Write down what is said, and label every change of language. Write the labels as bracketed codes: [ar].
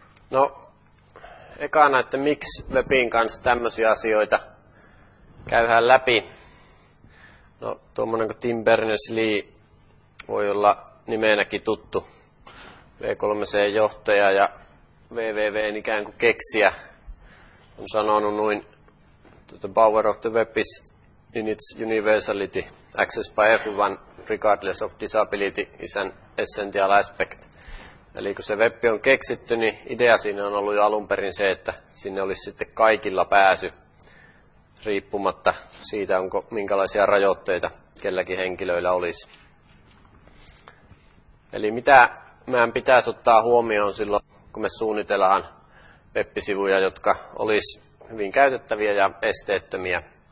[fi] No, ekana, että miksi webin kanssa tämmöisiä asioita käydään läpi. No, tuommoinen kuin Tim Berners-Lee voi olla nimenäkin tuttu V3C-johtaja ja WWW:n ikään kuin keksijä. On sanonut noin, [en] the power of the web is in its universality, access by everyone, regardless of disability, is an essential aspect. [fi] Eli kun se web on keksitty, niin idea siinä on ollut jo alun perin se, että sinne olisi sitten kaikilla pääsy, riippumatta siitä, onko minkälaisia rajoitteita kelläkin henkilöillä olisi. Eli mitä meidän pitäisi ottaa huomioon silloin, kun me suunnitellaan web-sivuja, jotka olisi hyvin käytettäviä ja esteettömiä.